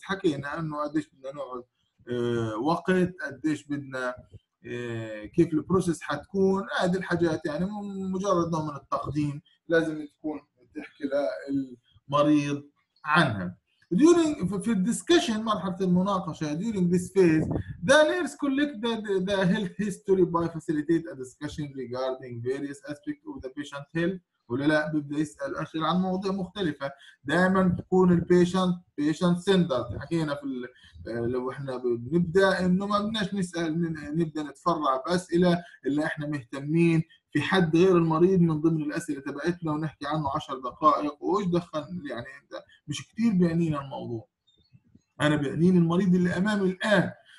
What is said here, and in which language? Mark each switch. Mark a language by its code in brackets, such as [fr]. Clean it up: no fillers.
[ar] حكينا انه قديش بدنا نقعد وقت، قديش بدنا كيف البروسيس حتكون، هذه الحاجات يعني مجرد من التقديم لازم تكون تحكي للمريض عنها. [en] during [ar] في الديسكشن مرحله المناقشه [en] during this phase the nurse collect the health history by facilitate a discussion regarding various aspects of the patient health. [ar] ولا لا بيبدا يسال اسئله عن مواضيع مختلفه، دائما تكون البيشنت بيشنت سنتر. حكينا في لو احنا بنبدا انه ما بدناش نسال، نبدا نتفرع باسئله اللي احنا مهتمين في حد غير المريض من ضمن الاسئله تبعتنا ونحكي عنه 10 دقائق، وايش دخل يعني انت مش كتير بيعنينا الموضوع، انا بيعنيني المريض اللي امامي الان.